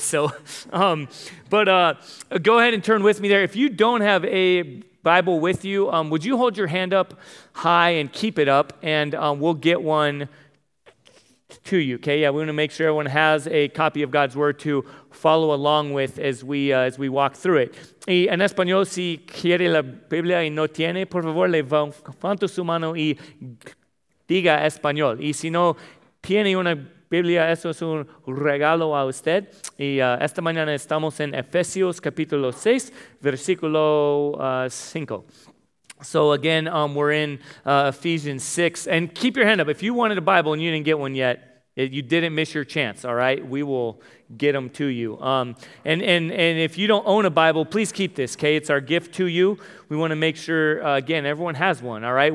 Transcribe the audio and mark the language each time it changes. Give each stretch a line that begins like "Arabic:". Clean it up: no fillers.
English: So go ahead and turn with me there. If you don't have a Bible with you, would you hold your hand up high and keep it up, and we'll get one to you, okay? Yeah, we want to make sure everyone has a copy of God's Word to follow along with as we walk through it.
Spanish: Y en español, si quiere la Biblia y no tiene, por favor, levanto su mano y diga español. Y si no tiene una Biblia, eso es un regalo a usted. Y esta mañana estamos en Ephesians capítulo 6, versículo 5.
English: So again, we're in Ephesians 6. And keep your hand up. If you wanted a Bible and you didn't get one yet, you didn't miss your chance, all right? We will get them to you. And if you don't own a Bible, please keep this, okay? It's our gift to you. We want to make sure, again, everyone has one, all right?